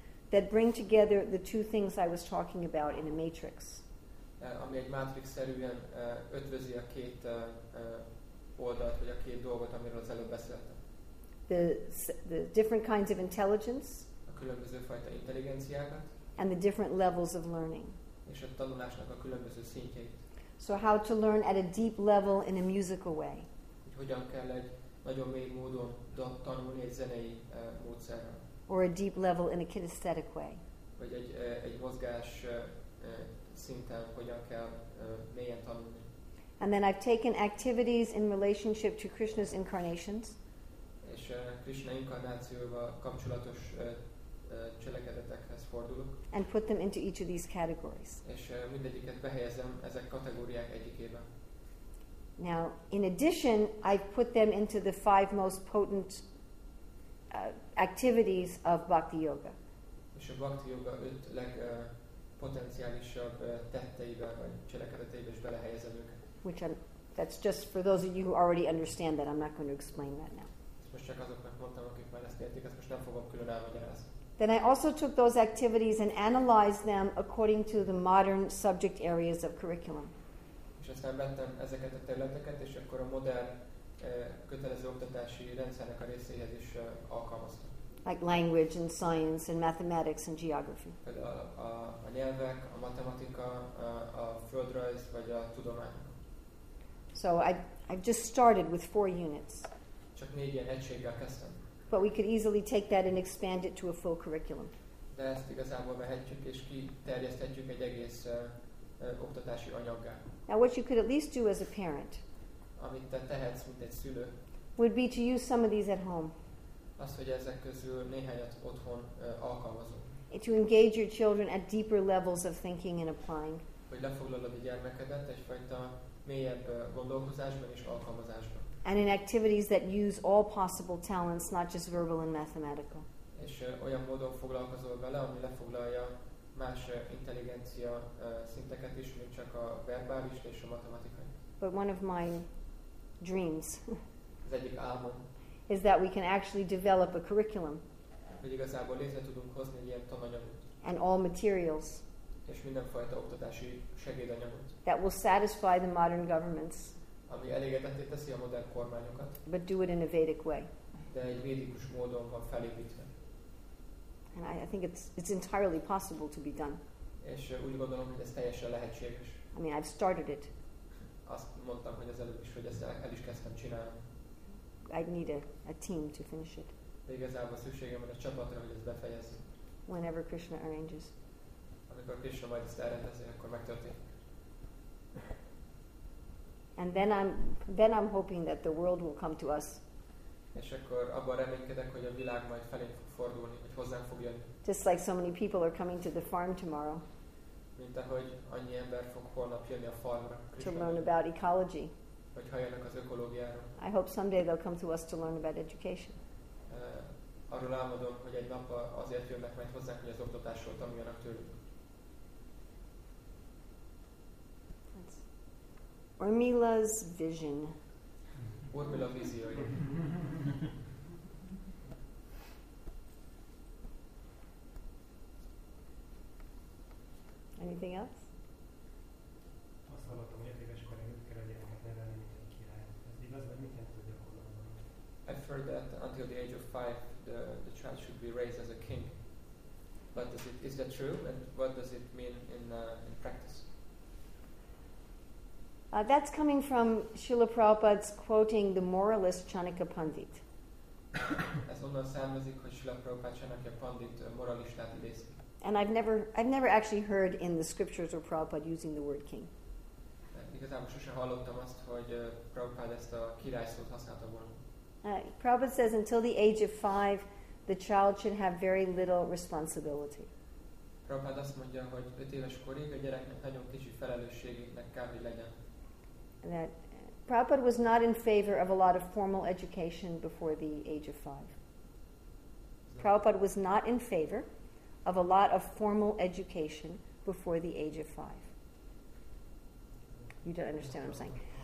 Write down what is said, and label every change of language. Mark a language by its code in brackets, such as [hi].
[en] That bring together the 2 things I was talking about in a matrix. [hu] Ami egy matrix-szerűen ötvözi a két oldalt, vagy a két dolgot, amiről az előbb beszéltem. [en] The different kinds of intelligence. [hu] A különböző fajta intelligenciákat. [en] And the different levels of learning. [hu] És a tanulásnak a különböző szintjeit. [en] So how to learn at a deep level in a musical way. [hu] Hogy hogyan kell egy nagyon mély módon tanulni egy zenei módszerrel. [en] Or a deep level in a kinesthetic way. [hu] Vagy egy mozgás szinten hogyan kell mélyen tanulni. [en] And then I've taken activities in relationship to Krishna's incarnations. [hu] És Krishna inkarnációval kapcsolatos cselekedetekhez fordulok. [en] And put them into each of these categories. [hu] És mindegyiket behelyezem ezek kategóriák egyikébe. [en] Now, in addition, I put them into the 5 most potent activities of Bhakti Yoga. [hu] és a bhakti joga öt legpotenciálisabb tetteivel vagy cselekedeteivel is belehelyezem őket. [en] That's just for those of you who already understand that. I'm not going to explain that now. [hu] Most csak azoknak mondtam, akik már ezt értik, ezt most nem fogom külön elmagyarázni. [en] Then I also took those activities and analyzed them according to the modern subject areas of curriculum. [hu] És aztán vettem ezeket a területeket, és akkor a modern kötelező oktatási rendszernek a részéhez is alkalmaztam. [en] Like language and science and mathematics and geography. [hu] A nyelvek, a matematika, a földrajz vagy a tudomány. [en] So I've just started with 4 units. [hu] Csak 4 ilyen egységgel kezdtem. [en] But we could easily take that and expand it to a full curriculum. [hu] De ezt igazából vehetjük és kiterjeszthetjük egy egész oktatási anyaggá. [en] Now what you could at least do as a parent. [hu] Amit te tehetsz, mint egy szülő. [en] Would be to use some of these at home. [hu] Az, hogy ezek közül néhányat otthon alkalmazunk. [en] To engage your children at deeper levels of thinking and applying. [hu] Hogy lefoglalod a gyermekedet egyfajta mélyebb gondolkozásban és alkalmazásban. [en] And in activities that use all possible talents, not just verbal and mathematical. [hu] És olyan módon foglalkozol vele, ami lefoglalja más intelligencia szinteket is, mint csak a verbális és a matematikai. [en] But one of my dreams. [hu] Az egyik álmom. [en] Is that we can actually develop a curriculum. [hu] Hogy igazából létre tudunk hozni egy ilyen tananyagot. [en] And all materials. [hu] És mindenfajta oktatási segédanyagot. [en] That will satisfy the modern governments. [hu] Ami elégedetté teszi a modern kormányokat. [en] But do it in a Vedic way. [hu] De egy védikus módon van felépítve. [en] And I think it's entirely possible to be done. [hu] És úgy gondolom, hogy ez teljesen lehetséges. [en] I mean, I've started it. [hu] Azt mondtam, hogy az előbb is, hogy ezt el is kezdtem csinálni. [en] I'd need a team to finish it. [hu] De igazából szükségem van a csapatra, hogy ezt befejezzük. [en] Whenever Krishna arranges. [hu] Amikor Krishna majd ezt elrendezi, akkor megtörténik. [en] And then I'm hoping that the world will come to us. [hu] És akkor abban reménykedek, hogy a világ majd felénk fog fordulni, hogy hozzánk fog jönni. [en] Just like so many people are coming to the farm tomorrow. [hu] Mint ahogy annyi ember fog holnap jönni a farmra. [en] To learn about ecology. [hu] Hogy halljanak az ökológiáról. [en] I hope someday they'll come to us to learn about education. [hu] Arról álmodom, hogy egy nap azért jönnek majd hozzánk, hogy az oktatásról tanuljanak tőlük. [en] Urmila's vision. [hu] Urmila visioi. [en] Anything else? [hu] Azt hallottam, hogy 5 éves korig mit kell a gyereket nevelni, mint egy király. Ez igaz, vagy mit jelent a gyakorlatban? [en] I've heard that until the age of 5, the child should be raised as a king. But is that true? And what does it mean in practice? That's coming from Srila Prabhupada's quoting the moralist Chanakya Pandit. [hu] Ez onnan származik, hogy Srila Prabhupada Chanakya Pandit moralistát idéz. [en] And I've never actually heard in the scriptures or Prabhupada using the word king. [hu] Igazából sosem hallottam azt, hogy Prabhupada ezt a király szót használta volna. [en] Prabhupada says until the age of 5, the child should have very little responsibility. [hu] Prabhupada azt mondja, hogy 5 éves korig a gyereknek nagyon kicsi felelősségének kell, hogy legyen. [en] That Prabhupada was not in favor of a lot of formal education before the age of 5. Prabhupada was not in favor of a lot of formal education before the age of 5. You don't understand what I'm saying.